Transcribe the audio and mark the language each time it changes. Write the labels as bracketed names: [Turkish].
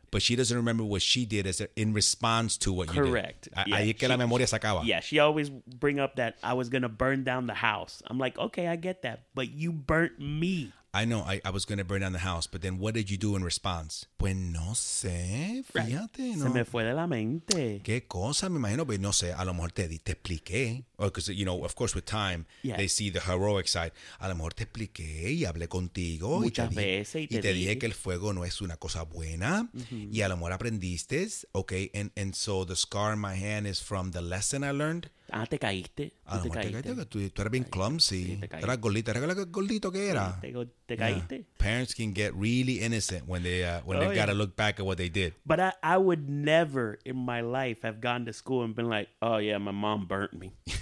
[English] But she doesn't remember what she did in response to what Correct. You did. Correct. Yeah, [Spanish] ahí que la memoria se acaba. [English] Yeah, she always bring up that I was going to burn down the house. I'm like, okay, I get that. But you burnt me. I know I was going to burn down the house, but then what did you do in response? [Spanish] Pues no sé, fíjate. Right. No. Se me fue de la mente. Qué cosa, me imagino, pues no sé, a lo mejor te expliqué. [English] Because, you know, of course, with time, they see the heroic side. [Spanish] A lo mejor te expliqué y hablé contigo. Muchas veces te dije que el fuego no es una cosa buena. Mm-hmm. Y a lo mejor aprendiste, okay? [English] And so the scar in my hand is from the lesson I learned. [Spanish] Ah, te caíste. A lo mejor te caíste. Tú eras bien clumsy. Tú eras gordito. Recuerda que gordito que era. Te caíste. [English] Yeah. Parents can get really innocent when they got to look back at what they did. But I would never in my life have gone to school and been like, oh, yeah, my mom burnt me.